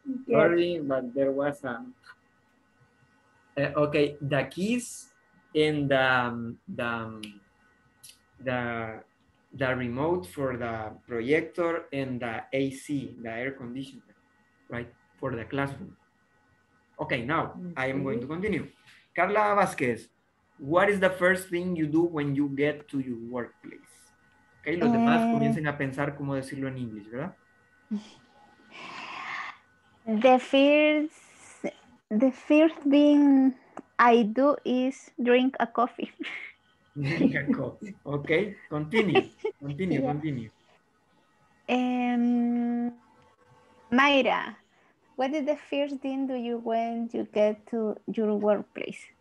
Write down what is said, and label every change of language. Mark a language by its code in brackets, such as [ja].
[en] Sorry, but there was a okay, the keys and the remote for the projector and the AC, the air conditioner, right, for the classroom. Okay, now I am going to continue. Carla Vasquez, what is the first thing you do when you get to your workplace? [es] Okay, los demás comiencen a pensar cómo decirlo en inglés, ¿verdad? [en] The first The first thing I do is drink a coffee. Okay, continue. Mayra, what is the first thing do you when you get to your workplace?